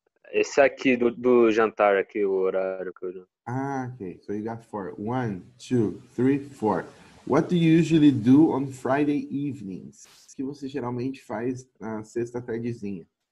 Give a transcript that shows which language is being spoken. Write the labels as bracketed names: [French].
[Portuguese] Esse aqui do jantar aqui, o horário que eu... [English] Ok, so you got 4. 1, 2, 3, 4. What do you usually do on Friday evenings? [Portuguese] O que você geralmente faz na sexta tardezinha?